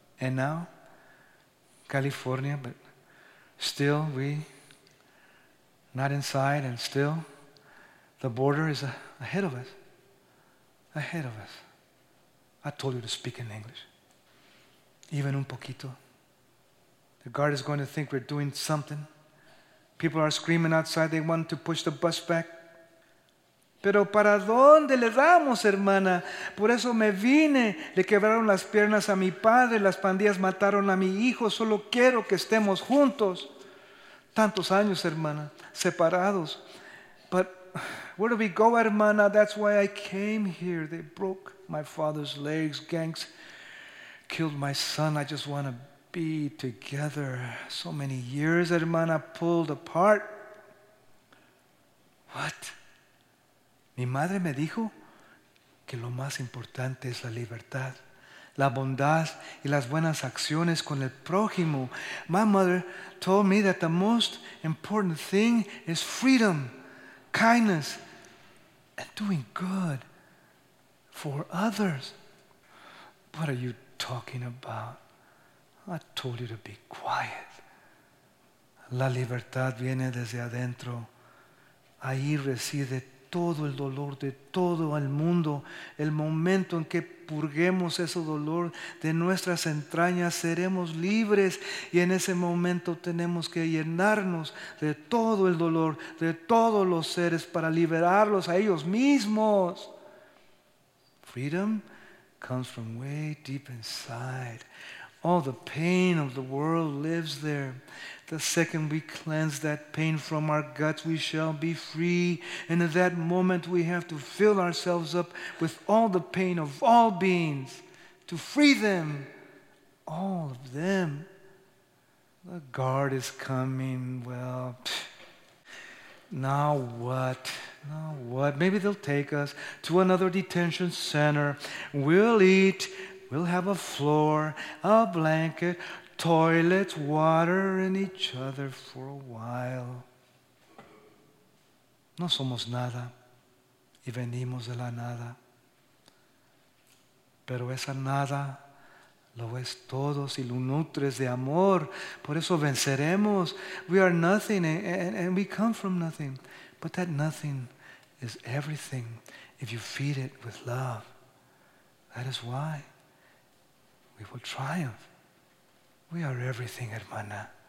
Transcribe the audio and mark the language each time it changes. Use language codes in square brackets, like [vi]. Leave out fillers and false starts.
[en] And now, California, but still, we not inside, and still, the border is ahead of us. Ahead of us. I told you to speak in English. Even [es] un poquito. [en] The guard is going to think we're doing something. People are screaming outside. They want to push the bus back. [es] Pero para dónde le damos, hermana? Por eso me vine. Le quebraron las piernas a mi padre. Las pandillas mataron a mi hijo. Solo quiero que estemos juntos. Tantos años, hermana, separados. [en] But where do we go, hermana? That's why I came here. They broke my father's legs. Gangs killed my son. I just want to be together. So many years, hermana, pulled apart. What? [es] Mi madre me dijo que lo más importante es la libertad, la bondad y las buenas acciones con el prójimo. [en] My mother told me that the most important thing is freedom, kindness, and doing good for others. What are you talking about? I told you to be quiet. [es] La libertad viene desde adentro. Ahí reside todo el dolor de todo el mundo. El momento en que purguemos ese dolor de nuestras entrañas, seremos libres. Y en ese momento tenemos que llenarnos de todo el dolor de todos los seres para liberarlos a ellos mismos. [en] Freedom comes from way deep inside. All the pain of the world lives there. The second we cleanse that pain from our guts, we shall be free. And at that moment, we have to fill ourselves up with all the pain of all beings to free them, all of them. The guard is coming. Well, now what? Now what? Maybe they'll take us to another detention center. We'll eat. We'll have a floor, a blanket, toilets, water, and each other for a while. [es] No somos nada y venimos de la nada. Pero esa nada lo es todo si lo nutres de amor. Por eso venceremos. [en] We are nothing and we come from nothing. But that nothing is everything if you feed it with love. That is why we will triumph. We are everything, hermana.